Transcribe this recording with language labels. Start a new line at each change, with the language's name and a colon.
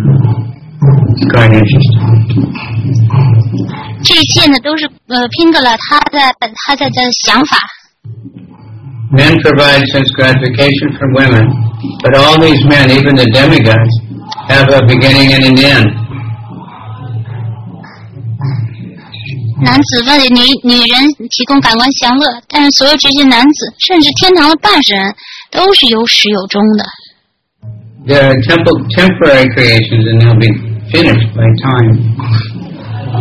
English: It's quite interesting.
Chinese: 这一切呢，都是Pingala他在想法。
English: Men provide sense gratification for women, but all these men, even the demigods, have a beginning and an end.
Chinese: 男子为女人提供感官享乐，但是所有这些男子，甚至天堂的半神，都是有始有终的。
English: There are temporary creations and they'll be finished by time.